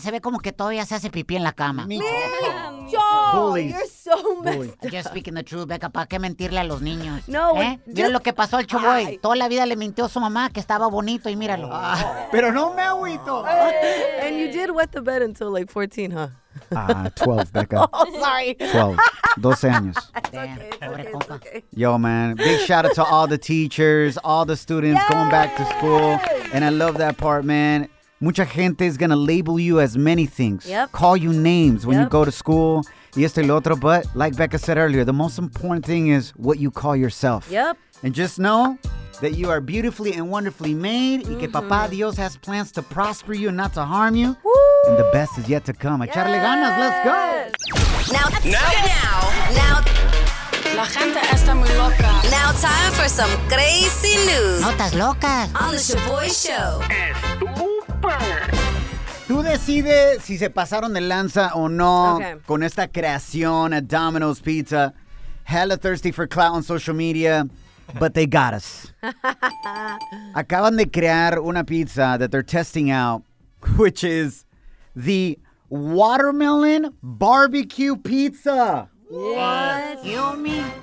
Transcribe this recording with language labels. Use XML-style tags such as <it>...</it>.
<es>Se ve como que todavía se hace pipí en la cama.</es> <en>Micho. Bullies. You're so messed up. Just speaking the truth,</en> <es>Becca. ¿Para qué mentirle a los niños? No. Mira lo que pasó al Choboy. Toda la vida le mintió a su mamá que estaba bonito y míralo. Pero no me agüito.</es> <en>And you did wet the bed until like 14, huh? 12, Becca. Oh, sorry.</en> <es>12. 12 años.</es> <en>Damn. Yo, man. Big shout out to all the teachers, all the students going back to school. And I love that part, man.</en> <es>Mucha gente</es> <en>is going to label you as many things. Yep. Call you names when you go to school.</en> <es>Y esto y lo otro.</es> <en>But like Becca said earlier, the most important thing is what you call yourself. Yep. And just know that you are beautifully and wonderfully made. Mm-hmm.</en> <es>Y que Papa Dios</es> <en>has plans to prosper you and not to harm you. Woo! And the best is yet to come.</en> <es>Echarle ganas.</es> <en>Let's go. Now.</en> <es>La gente está muy loca.</es> <en>Now time for some crazy news.</en> <es>Notas locas.</es> <en>On the Shaboy Show.</en> <es>Tú decides si se pasaron de lanza o no con esta creación a Domino's Pizza.</es> <en>Hella thirsty for clout on social media, but they got us.</en> <es>Acaban de crear una pizza</es> <en>that they're testing out, which is the watermelon barbecue pizza. What? Kill me.</en>